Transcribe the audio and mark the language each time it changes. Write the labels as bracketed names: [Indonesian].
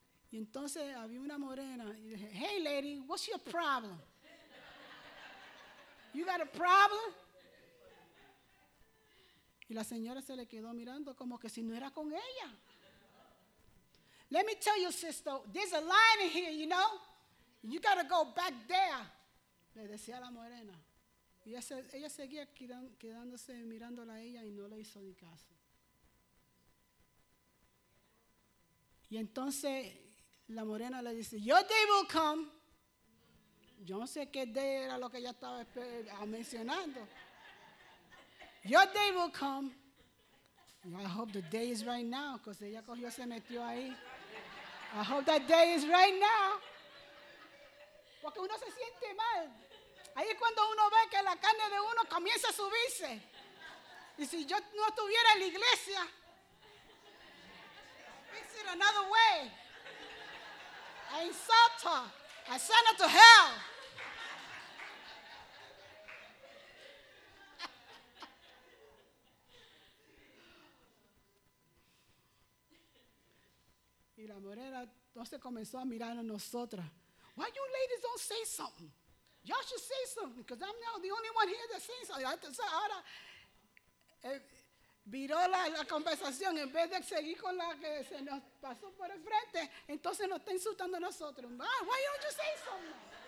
[Spanish] Y entonces había una morena y dije, [English] hey lady, what's your problem? You got a problem? [Spanish] Y la señora se le quedó mirando como que si no era con ella. [English] Let me tell you, sister, there's a line in here, you know? You got to go back there. [Spanish] Le decía a la morena. Y ella seguía quedándose mirándola a ella y no le hizo ni caso. Y entonces la morena le dice, [English] your day will come. [Spanish] Yo no sé qué day era lo que ella estaba mencionando. [English] Your day will come. I hope the day is right now, because [Spanish] ella cogió, se metió ahí. [English] I hope that day is right now. [Spanish] Porque uno se siente mal. Ahí es cuando uno ve que la carne de uno comienza a subirse. Y si yo no estuviera en la iglesia, [English] fix it another way. I insult her. I send her to hell. [Spanish] Y la morena entonces comenzó a mirar a nosotras. [English] Why you ladies don't say something? Y'all should say something, because I'm now the only one here that says something. [Spanish] Ahora, viró la conversación, en vez de seguir con la que se nos pasó por el frente, entonces nos está insultando a nosotros. [English] Why don't you say something?